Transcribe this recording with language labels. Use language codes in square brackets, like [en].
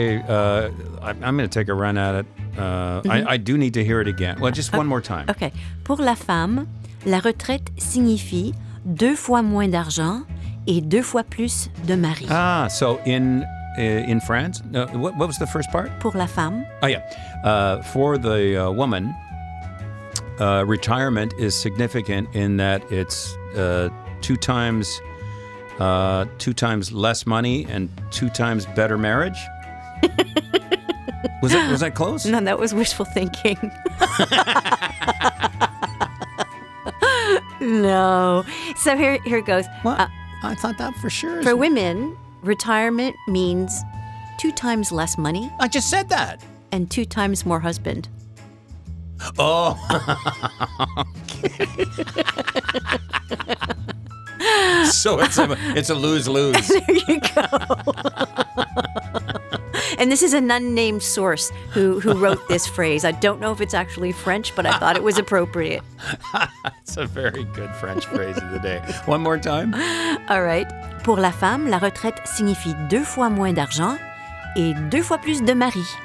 [en] I'm going to take a run at it. I do need to hear it again. Well, just one more time. Okay. [fr] Pour la femme, la retraite signifie deux fois moins d'argent et deux fois plus de mari. [en] Ah, so in France, what was the first part? [fr] Pour la femme. [en] Oh, yeah. For the woman, retirement is significant in that it's two times less money and two times better marriage. Was that close? No, that was wishful thinking. No. So here it goes. What? I thought that for sure. For women, retirement means two times less money. I just said that. And two times more husband. Oh. So it's a lose-lose. There you go. And this is an unnamed source who wrote this phrase. I don't know if it's actually French, but I thought it was appropriate. It's a very good French phrase of the day. One more time. All right. [fr] Pour la femme, la retraite signifie deux fois moins d'argent et deux fois plus de mari.